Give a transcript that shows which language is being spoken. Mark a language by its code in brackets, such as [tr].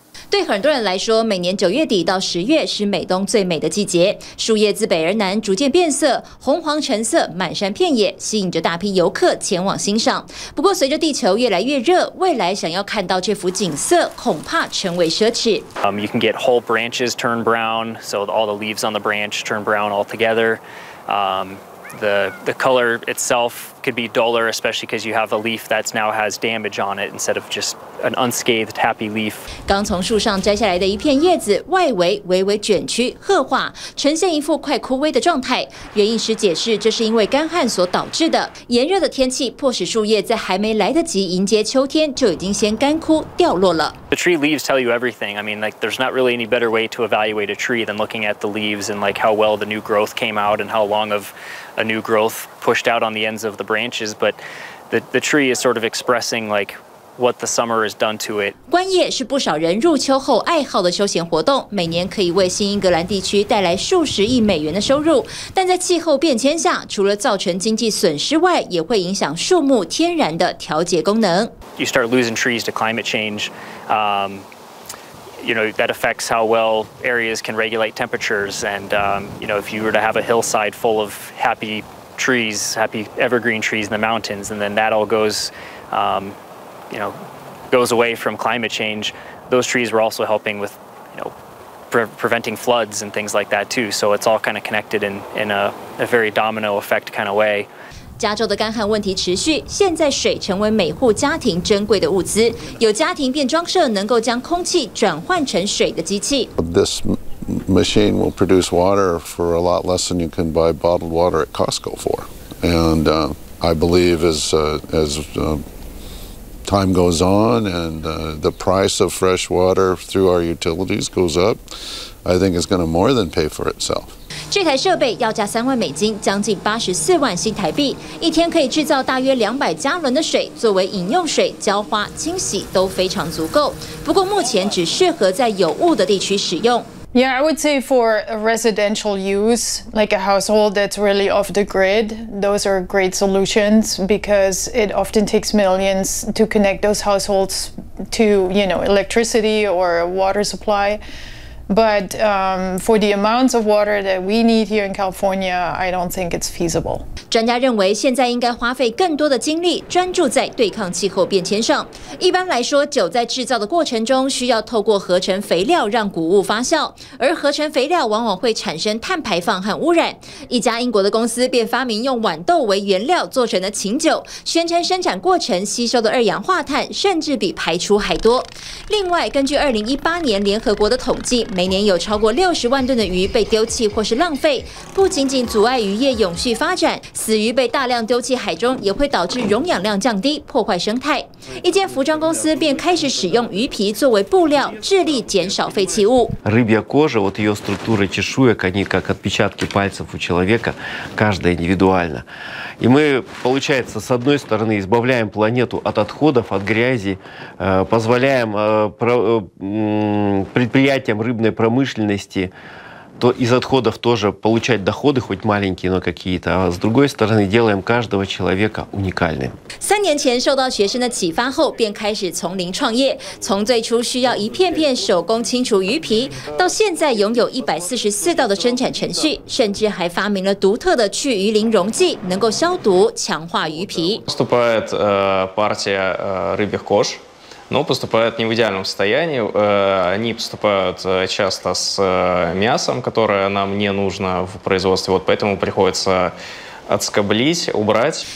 [zh] 对很多人来说，每年九月底到十月是美东最美的季节，树叶自北而南逐渐变色，红黄橙色满山遍野，吸引着大批游客前往欣赏。不过随着地球越来越热，未来想要看到这幅景色恐怕成为奢侈。 [en] You can get whole branches turn brown, so all the leaves on the branch turn brown altogether. The color itself could be duller, especially because you have a leaf that now has damage on it instead of just an unscathed happy leaf. [zh] 刚从树上摘下来的一片叶子，外围微微卷曲、褐化，呈现一副快枯萎的状态。园艺师解释，这是因为干旱所导致的。炎热的天气迫使树叶在还没来得及迎接秋天，就已经先干枯掉落了。 [en] The tree leaves tell you everything. I mean, like, there's not really any better way to evaluate a tree than looking at the leaves and like how well the new growth came out and how long of a new growth pushed out on the ends of the branches, but the tree is sort of expressing like what the summer has done to it. [zh] 观叶是不少人入秋后爱好的休闲活动，每年可以为新英格兰地区带来数十亿美元的收入。但在气候变迁下，除了造成经济损失外，也会影响树木天然的调节功能。 [en] You start losing trees to climate change. You know, that affects how well areas can regulate temperatures. And, you know, if you were to have a hillside full of happy trees, happy evergreen trees in the mountains, and then that all goes, you know, goes away from climate change, those trees were also helping with, you know, preventing floods and things like that too. So it's all kind of connected in a very domino effect kind of way. [zh] 加州的干旱问题持续，现在水成为每户家庭珍贵的物资。有家庭便装设能够将空气转换成水的机器。 [en] This machine will produce water for a lot less than you can buy bottled water at Costco for. And I believe as time goes on and the price of fresh water through our utilities goes up, I think it's going to more than pay for itself. [zh] 这台设备要价$30,000，将近84万新台币，一天可以制造大约200加仑的水，作为饮用水、浇花、清洗都非常足够。不过目前只适合在有雾的地区使用。 [en] Yeah, I would say for a residential use, like a household that's really off the grid, those are great solutions because it often takes millions to connect those households to, you know, electricity or water supply. But for the amounts of water that we need here in California, I don't think it's feasible. [zh] 专家认为，现在应该花费更多的精力专注在对抗气候变迁上。一般来说，酒在制造的过程中需要透过合成肥料让谷物发酵，而合成肥料往往会产生碳排放和污染。一家英国的公司便发明用豌豆为原料做成的琴酒，宣称生产过程吸收的二氧化碳甚至比排出还多。另外，根据2018年联合国的统计。每年有超过60万吨的鱼被丢弃或是浪费，不仅仅阻碍渔业永续发展，死鱼被大量丢弃海中，也会导致溶氧量降低，破坏生态。一间服装公司便开始使用鱼皮作为布料，致力减少废弃物。 [ru] Рыбья кожа, вот ее структура чешуек, они как отпечатки пальцев у человека, каждая индивидуально. И мы, получается, с одной стороны избавляем планету от отходов, от грязи, позволяем предприятиям рыб рыбной промышленности, то из отходов тоже получать доходы, хоть маленькие, но какие-то. А с другой стороны, делаем каждого человека уникальным. [zh] 3年前受到学生的启发后，便开始从零创业。从最初需要一片片手工清除鱼皮，到现在拥有144道的生产程序，甚至还发明了独特的去鱼鳞溶剂，能够消毒强化鱼皮。 [ru] Поступает партия рыбьих кож. Но поступают не в идеальном состоянии. Они поступают часто с мясом, которое нам не нужно в производстве. Вот поэтому приходится отскоблить, убрать.